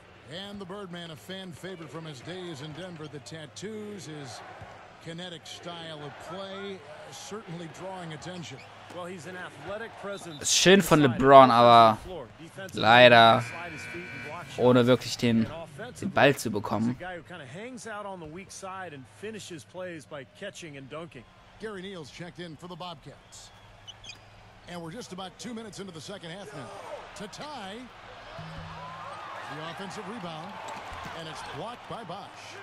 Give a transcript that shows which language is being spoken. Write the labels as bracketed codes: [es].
[en] And the Birdman, a fan favorite from his days in Denver, the tattoos, his kinetic style of play, certainly drawing attention. Well, he's an athletic presence. [de] Schön von LeBron, aber leider ohne wirklich den Ball zu bekommen. [en] He's a guy who kind of hangs out on the weak side and finishes plays by catching and dunking. Gary Neal's checked in for the Bobcats. And we're just about 2 minutes into the second half now. To tie. The offensive rebound. And it's blocked by Bosch.